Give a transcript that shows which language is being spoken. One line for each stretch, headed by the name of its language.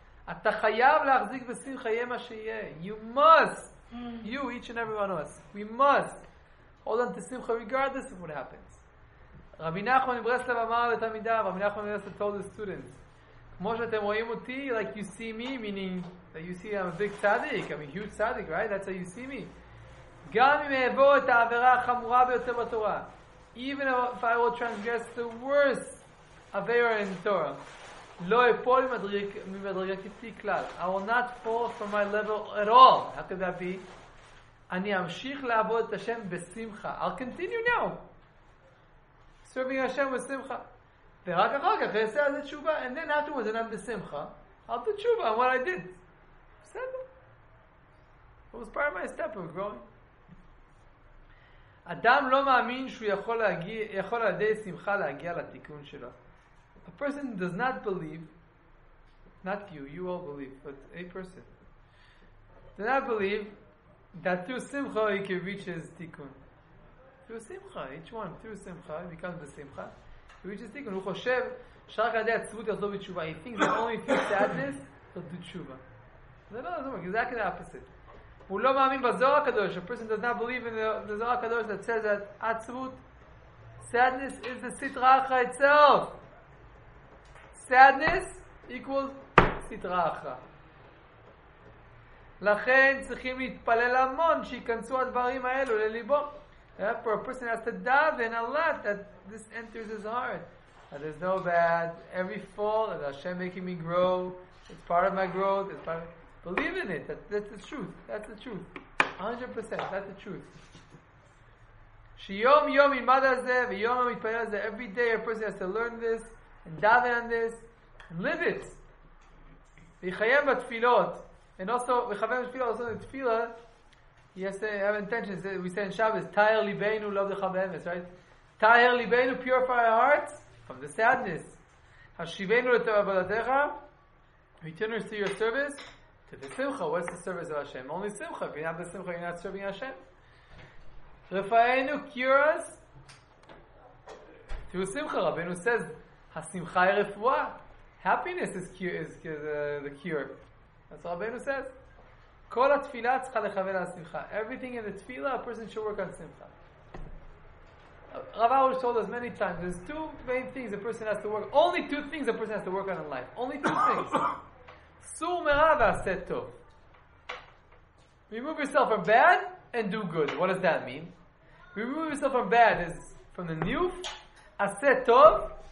Hebrew: אתה חייב להחזיק בשמחה, יהיה מה שיהיה.
English: You must. You, each and every one of us. We must. Hold on to simcha regardless of what happens.
Hebrew: רבי נחמן מברסלב אמר לתלמידיו,
English: רבי נחמן מברסלב told the students,
Hebrew: כמו שאתם רואים אותי,
English: like you see me, meaning that you see I'm a big tzaddik, I'm a huge tzaddik, right? That's how you see me.
Hebrew: גם אם אעבור את העבירה החמורה ביותר בתורה,
English: even if I will transgress the worst עבירה in the Torah,
Hebrew: לא אפול ממדרגתי כלל.
English: I will not fall from my level at all. How could that be?
Hebrew: אני אמשיך לעבוד את השם בשמחה.
English: I'll continue now. Serving Hashem with simcha.
Hebrew: ורק אחר כך, אני אעשה על זה תשובה.
English: And then afterwards, and I'm בשמחה. I'll do תשובה on what I did. בסדר. It was part of my step of growing.
Hebrew: אדם לא מאמין שהוא יכול להגיע, יכול על ידי שמחה להגיע לתיקון שלו.
English: A person does not believe, not you, you all believe, but a person, does not believe that through simcha he can reach his tikkun. Through simcha, each one, through simcha, he becomes the simcha, he reaches tikkun. He thinks that only through sadness he'll do tshuva. No, it's exactly the opposite. He doesn't believe in the Zohar Kadosh. A person does not believe in the Zohar Kadosh that says that atzvut, sadness is the sitra achra itself. Sadness equals sitra achra.
Hebrew: לכן צריכים להתפלל המון שיכנסו הדברים האלו לליבו.
English: Therefore, a person has to daven a lot that this enters his heart. That there's no bad. Every fall, that Hashem making me grow. It's part of my growth. It's part of it. Believe in it. That's the truth. That's the truth. 100%. That's the truth.
Hebrew: שיום יום ילמד על זה ויום יום יתפלל על זה.
English: Every day, a person has to learn this. And daven on this, and live it.
Hebrew: ויחיים בתפילות,
English: and also ויחיים בתפילות, also in תפילה, yes, I have intentions. We say in Shabbos, "Tayer libeinu lo b'chav emes," right? Tayer libeinu, purify our hearts from the sadness. Hashiveinu l'tov avodatecha, return us to your service. To the simcha, what's the service of Hashem? Only simcha. If you have the simcha, you're not serving Hashem. Refaenu, cure us. Through simcha, Rabbeinu says.
Hebrew: השמחה היא רפואה.
English: Happiness is the cure. That's what Rabbeinu says.
Hebrew: כל התפילה צריכה לכוון על השמחה.
English: Everything in the tefillah, a person should work on simcha. Rav Arush told us many times, there's two main things a person has to work on. Only two things a person has to work on in life. Only two things. Sur mera ve'aseh tov. Remove yourself from bad and do good. What does that mean? Remove yourself from bad is from the niyuf. Aseh tov.